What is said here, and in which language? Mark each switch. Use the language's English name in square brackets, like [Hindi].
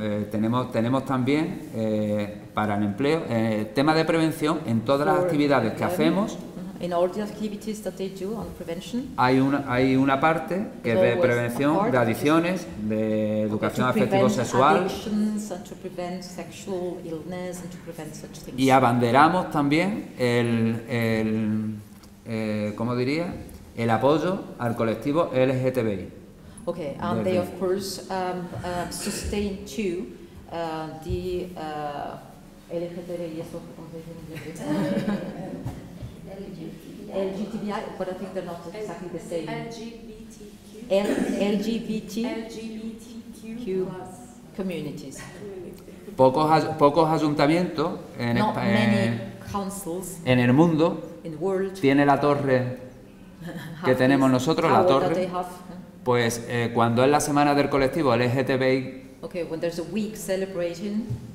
[Spanish] Tenemos también para el empleo, tema de prevención en todas las actividades que hacemos. [English] in all the activities that they do on prevention. [Spanish] Hay una parte que es de prevención de adicciones, de educación afectivo sexual. [English] And to prevent sexual illness and to prevent such things. [Spanish] Y abanderamos también el apoyo al colectivo LGTBI. [English] Okay, and they of course sustain too LGBTQ communities. [Spanish] Pocos ayuntamientos en el mundo tiene la torre que tenemos nosotros, la torre. Pues cuando es la semana del colectivo LGTBI, [English] okay, when there's a week celebrating,